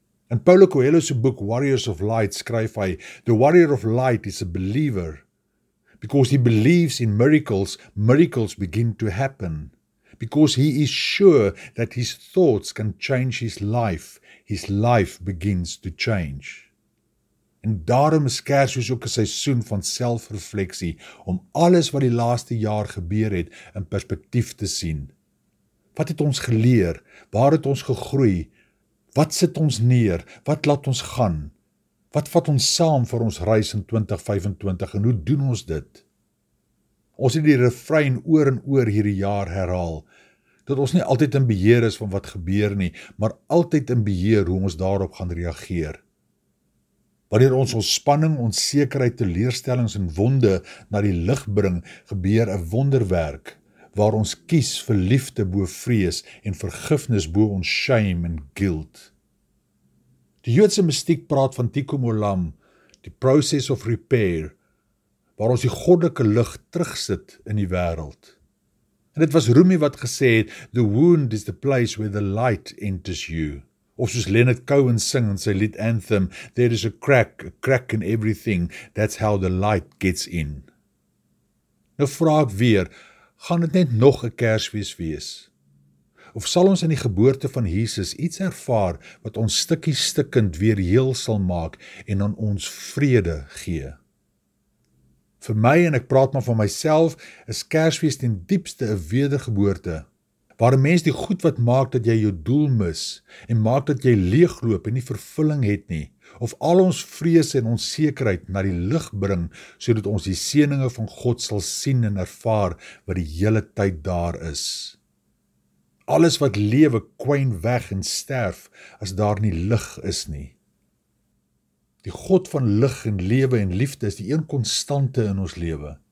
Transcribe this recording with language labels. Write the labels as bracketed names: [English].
[Afrikaans] In Paulo Coelho's boek Warriors of Light skryf hy, [English] the warrior of light is a believer, because he believes in miracles, miracles begin to happen, because he is sure that his thoughts can change his life begins to change. [Afrikaans] En daarom is Kersfees ook 'n seisoen van selfrefleksie, om alles wat die laaste jaar gebeur het, in perspektief te sien. Wat het ons geleer? Waar het ons gegroei? Wat sit ons neer? Wat laat ons gaan? Wat vat ons saam vir ons reis in 2025 en hoe doen ons dit? Ons het die refrein oor en oor hierdie jaar herhaal, dat ons nie altyd in beheer is van wat gebeur nie, maar altyd in beheer hoe ons daarop gaan reageer. Wanneer ons ontspanning, onsekerheid, teleurstellings en wonde na die lig bring, gebeur 'n wonderwerk waar ons kies vir liefde bo vrees en vergifnis bo ons [English] shame [Afrikaans] en [English] guilt. [Afrikaans] Die Joodse mystiek praat van Tikkun Olam, die [English] process of repair, [Afrikaans] waar ons die goddelike lig terugsit in die wêreld. En dit was Rumi wat gesê het, [English] "The wound is the place where the light enters you." [Afrikaans] Of soos Leonard Cohen sing in sy lied Anthem, [English] there is a crack in everything, that's how the light gets in. [Afrikaans] Nou vraag ek weer, gaan dit net nog 'n Kersfees wees? Of sal ons in die geboorte van Jesus iets ervaar, wat ons stikkie stikkend weer heel sal maak, en aan ons vrede gee? Vir my, en ek praat maar van myself, is Kersfees ten diepste 'n wedergeboorte, waar mens die goed wat maak dat jy jou doel mis, en maak dat jy leegloop en nie vervulling het nie, of al ons vrees en onsekerheid na die lig bring, sodat ons die seëninge van God sal sien en ervaar wat die hele tyd daar is. Alles wat lewe kwyn weg en sterf, as daar nie lig is nie. Die God van lig en lewe en liefde is die een konstante in ons lewe.